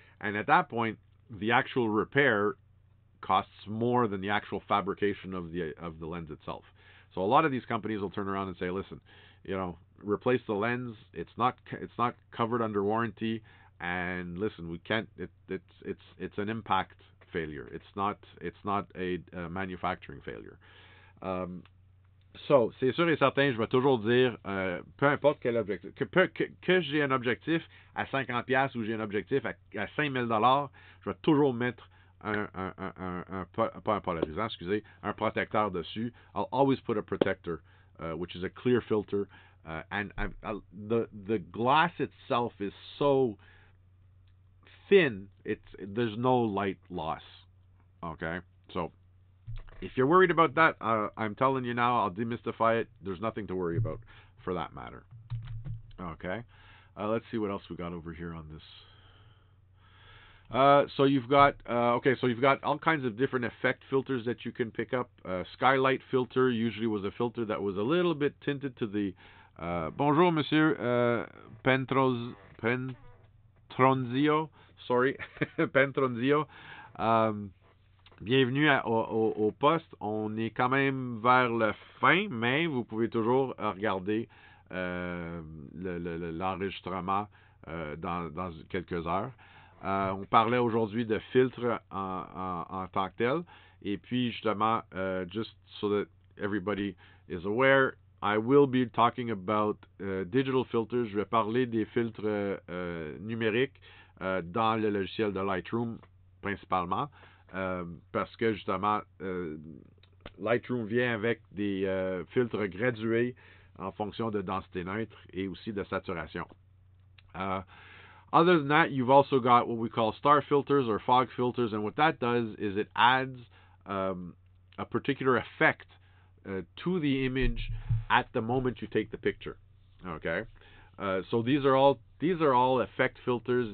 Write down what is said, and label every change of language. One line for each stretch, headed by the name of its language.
English: And at that point, the actual repair costs more than the actual fabrication of the lens itself. So a lot of these companies will turn around and say, listen, you know, replace the lens. It's not covered under warranty. And listen, we can't, it's an impact failure. It's not a manufacturing failure.
French: So c'est sûr et certain, je vais toujours dire, peu importe quel objectif, que j'ai un objectif à 50$ ou j'ai un objectif à 5000$, je vais toujours mettre un protecteur dessus.
English: I'll always put a protector, which is a clear filter. The glass itself is so thin, there's no light loss. Okay? So, if you're worried about that, I'm telling you now, I'll demystify it. There's nothing to worry about for that matter. Okay? Let's see what else we got over here on this. So you've got all kinds of different effect filters that you can pick up. Skylight filter usually was a filter that was a little bit tinted to the...
French: bonjour, monsieur. Pentronzio. Sorry. Pentronzio. Bienvenue au poste. On est quand même vers la fin, mais vous pouvez toujours regarder l'enregistrement dans quelques heures. On parlait aujourd'hui de filtres en tant que tel. Et puis, justement,
English: just so that everybody is aware, I will be talking about digital filters.
French: Je vais parler des filtres numériques dans le logiciel de Lightroom, principalement, parce que, justement, Lightroom vient avec des filtres gradués en fonction de densité neutre et aussi de saturation.
English: Other than that, you've also got what we call star filters or fog filters, and what that does is it adds a particular effect to the image at the moment you take the picture. Okay, so these are all effect filters.